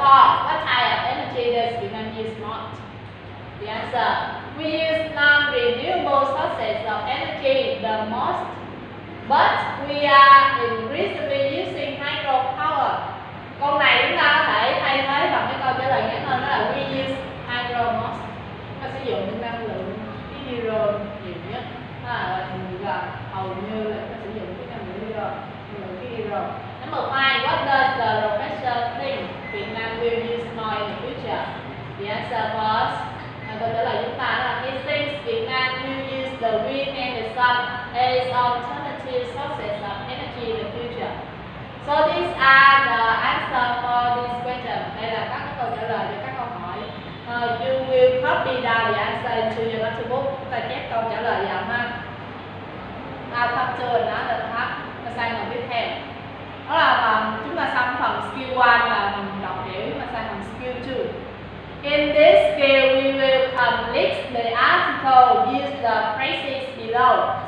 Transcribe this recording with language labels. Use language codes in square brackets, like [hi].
[en] What type of energy does human use not? The answer. We use non-renewable sources of energy the most, but we are increasingly using hydropower. [vi] Câu này chúng ta có thể thay thế bằng cái câu trả lời ngắn hơn, đó là [en] we use hydro most. [vi] Ta sử dụng những năng lượng hydro nhiều nhất. À, thì là hầu như là ta sử dụng cái năng lượng hydro. [en] Number 5. What does the professor think Vietnam will use more in the future? The answer was, [vi] câu trả lời chúng ta là [en] he thinks Vietnam will use the wind and the sun as alternative sources of energy in the future. So these are the answer for this question. [vi] Đây là các câu trả lời cho các câu hỏi. [en] You will copy down the answer into your notebook. [vi] Chúng ta chép câu trả lời vào ha. [en] Top 2 and another top. [vi] Và sang phần tiếp theo. Đó là chúng ta xong phần skill 1 là mình đọc hiểu, và sang phần skill 2. [en] In this skill, we will complete the article use the phrases below.